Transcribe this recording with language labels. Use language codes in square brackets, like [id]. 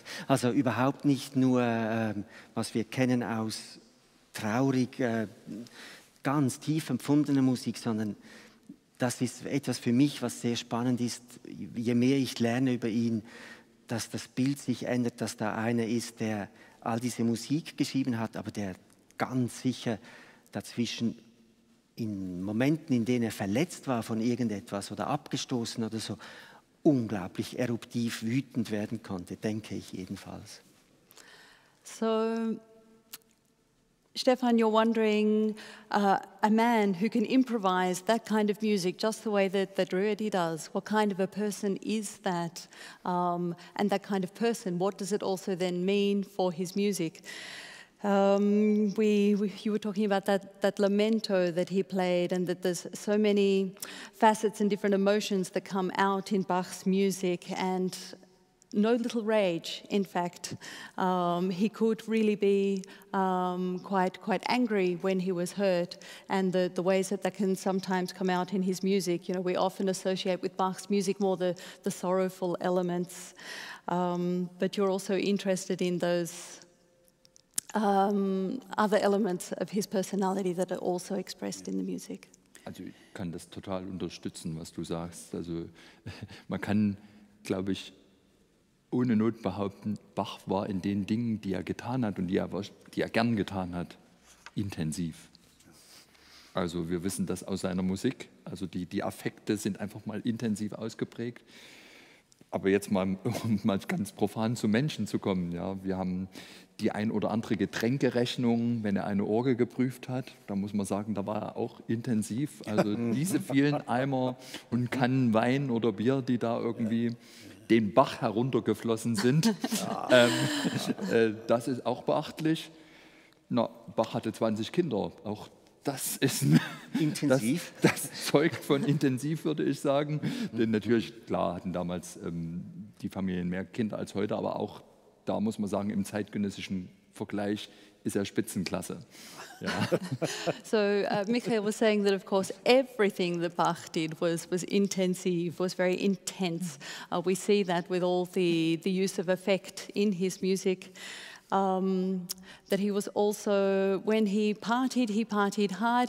[de] Also überhaupt nicht nur, was wir kennen aus traurig, ganz tief empfundener Musik, sondern das ist etwas für mich, was sehr spannend ist, je mehr ich lerne über ihn, dass das Bild sich ändert, dass da einer ist, der all diese Musik geschrieben hat, aber der ganz sicher dazwischen in Momenten, in denen er verletzt war von irgendetwas oder abgestoßen oder so, unglaublich eruptiv wütend werden konnte, denke ich jedenfalls. [en] So, Stefan, you're wondering, a man who can improvise that kind of music just the way that Ruedi does, what kind of a person is that? And that kind of person, what does it also then mean for his music? You were talking about that lamento that he played, and that there's so many facets and different emotions that come out in Bach's music, and no little rage, in fact. He could really be quite angry when he was hurt, and the ways that can sometimes come out in his music. You know, we often associate with Bach's music more the sorrowful elements, but you're also interested in those other elements of his personality that are also expressed in the music. [de] Also ich kann das total unterstützen, was du sagst. Also man kann, glaube ich, ohne Not behaupten, Bach war in den Dingen, die er getan hat und die er gern getan hat, intensiv. Also wir wissen das aus seiner Musik. Also die Affekte sind einfach mal intensiv ausgeprägt. Aber jetzt mal, um mal ganz profan zu Menschen zu kommen. Ja, wir haben die ein oder andere Getränkerechnung, wenn er eine Orgel geprüft hat. Da muss man sagen, da war er auch intensiv. Also diese vielen Eimer und Kannen Wein oder Bier, die da irgendwie den Bach heruntergeflossen sind. Ja. Das ist auch beachtlich. Na, Bach hatte 20 Kinder. Auch das ist intensiv. Das zeugt von intensiv, würde ich sagen. Denn natürlich, klar, hatten damals die Familien mehr Kinder als heute, aber auch da muss man sagen, im zeitgenössischen Vergleich ist er Spitzenklasse. Ja. [en] So, Michael was saying that, of course, everything that Bach did was intensive, was very intense. We see that with all the use of effect in his music. That he was also, when he partied hard.